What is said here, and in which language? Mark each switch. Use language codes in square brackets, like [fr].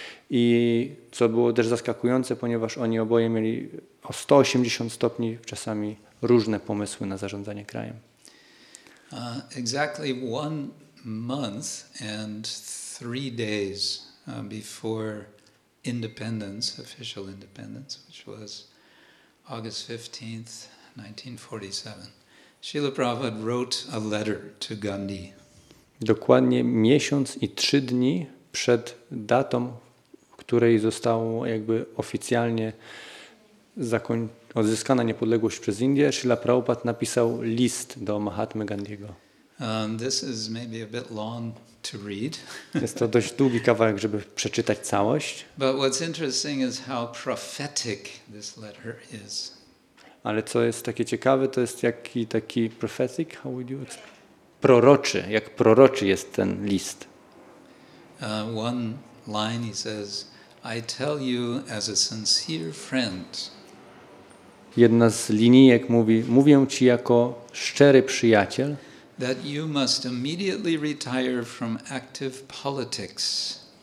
[pl] I co było też zaskakujące, ponieważ oni oboje mieli o 180 stopni czasami różne pomysły na zarządzanie krajem. [en] Exactly 1 month and 3 days before independence, official independence, which was August 15th, 1947. Srila Prabhupada wrote a letter to Gandhi. [pl] Dokładnie miesiąc i 3 dni przed datą, której został jakby oficjalnie odzyskana niepodległość przez Indie, Srila Prabhupada napisał list do Mahatmy Gandhiego. [en] This is maybe a bit long to read. [pl] Jest to dość długi kawałek, żeby przeczytać całość. [en] But what's interesting is how prophetic this letter is. [pl] Ale co jest takie ciekawe, to jest jaki taki [en] prophetic, how would you explain? [pl] Proroczy, jak proroczy jest ten list. [en] One line he says, I tell you as a sincere friend. [pl] Jedna z linijek mówi, mówię ci jako szczery przyjaciel, [en] that you must immediately retire from active politics.